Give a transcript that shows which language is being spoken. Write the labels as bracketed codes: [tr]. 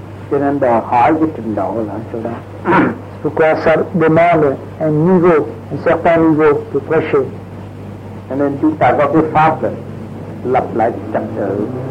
[vi] Cho nên đòi hỏi cái trình độ là chỗ đó. [fr] Pourquoi ça demande un niveau, un certain niveau de prêcher. [vi] Cho nên chúng ta có cái pháp là lập lại trật tự.